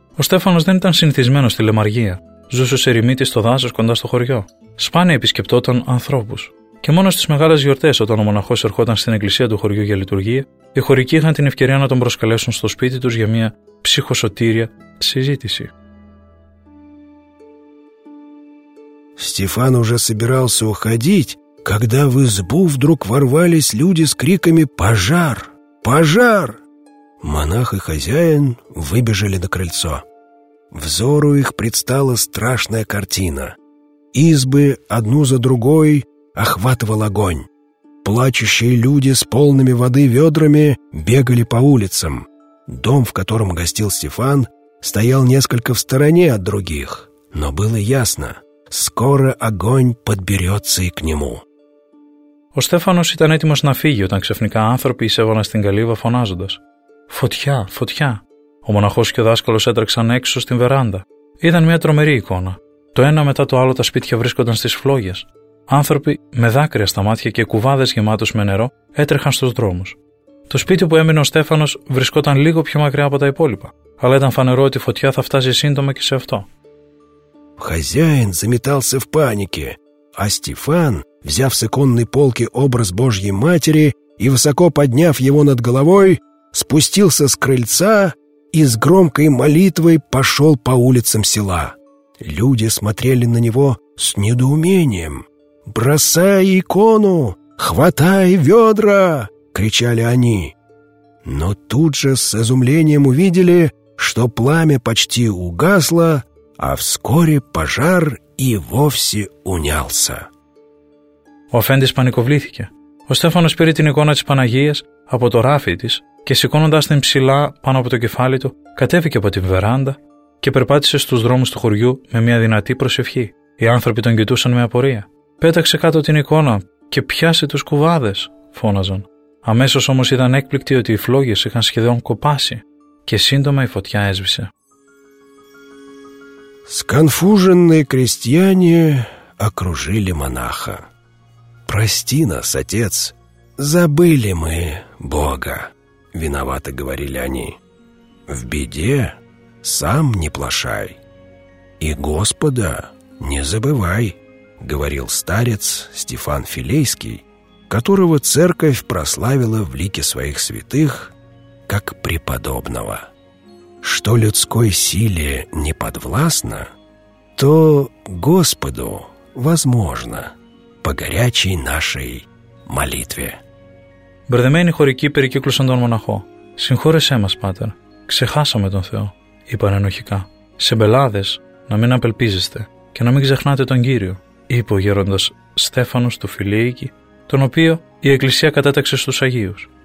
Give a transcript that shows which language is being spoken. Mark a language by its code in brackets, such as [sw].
[el] Ο Στέφανος δεν ήταν συνηθισμένος στη λεμαργία, ζούσε σε ερημίτη στο δάσος κοντά στο χωριό. Σπάνια επισκεπτόταν ανθρώπους. Και μόνο στις μεγάλες γιορτές, όταν ο μοναχός ερχόταν στην εκκλησία του χωριού για λειτουργία, οι χωρικοί είχαν την ευκαιρία να τον προσκαλέσουν στο σπίτι τους για μια ψυχοσωτήρια συζήτηση. [ru] Стефан уже собирался уходить, когда в избу вдруг ворвались люди с криками «Пожар! Пожар!». Монах и хозяин выбежали на крыльцо. Взору их предстала страшная картина. Избы одну за другой охватывал огонь. Плачущие люди с полными воды ведрами бегали по улицам. Дом, в котором гостил Стефан, стоял несколько в стороне от других, но было ясно – скоро огонь подберется и к нему. [el] Ο Στέφανος ήταν έτοιμος να φύγει όταν ξαφνικά άνθρωποι εισέβαλαν στην καλύβα φωνάζοντας «Φωτιά, φωτιά». Ο μοναχός και ο δάσκαλος έτρεξαν έξω στην βεράντα. Ήταν μια τρομερή εικόνα. Το ένα μετά το άλλο τα σπίτια βρίσκονταν στις φλόγες. Άνθρωποι με δάκρυα στα μάτια και κουβάδες γεμάτους με νερό έτρεχαν στους δρόμους. Το σπίτι που έμεινε ο Στέφανος βρισκόταν λίγο πιο μακριά από τα υπόλοιπα, αλλά ήταν φανερό ότι η φωτιά θα φτάσει σύντομα και σε αυτό. [ru] Хозяин заметался в панике, а Стефан, взяв с иконной полки образ Божьей Матери и высоко подняв его над головой, спустился с крыльца и с громкой молитвой пошел по улицам села. Люди смотрели на него с недоумением. «Бросай икону! Хватай ведра!» — кричали они. Но тут же с изумлением увидели, что пламя почти угасло, а вскоре пожар и вовсе унялся. [el] Ο αφέντης πανικοβλήθηκε. Ο Στέφανος πήρε την εικόνα της Παναγίας από το ράφι της και σηκώνοντας την ψηλά πάνω από το κεφάλι του, κατέβηκε από την βεράντα και περπάτησε στους δρόμους του χωριού με μια δυνατή προσευχή. Οι άνθρωποι τον κοιτούσαν με απορία. «Πέταξε κάτω την εικόνα και πιάσε τους κουβάδες», φώναζαν. Αμέσως όμως ήταν έκπληκτοι ότι οι φλόγες είχαν σχεδόν κοπάσει και σύντομα η φωτιά έσβησε. [ru] Сконфуженные крестьяне окружили монаха. «Прости нас, отец, забыли мы Бога», — виновато говорили они. «В беде сам не плашай, и Господа не забывай», — говорил старец Стефан Филейский, которого церковь прославила в лике своих святых как преподобного. Что людской силе не подвластно, то Господу возможно по горячей нашей молитве. [el] Μπερδεμένοι χωρικοί περικύκλωσαν τον μοναχό. «Συγχώρεσέ μας, Πάτερ, ξεχάσαμε τον Θεό», είπαν ενοχικά. «Σε μπελάδες να μην απελπίζεστε και να μην ξεχνάτε τον Κύριο», είπε ο γέροντας Στέφανος του Φιλίκη, τον οποίο η Εκκλησία κατέταξε στους Αγίους.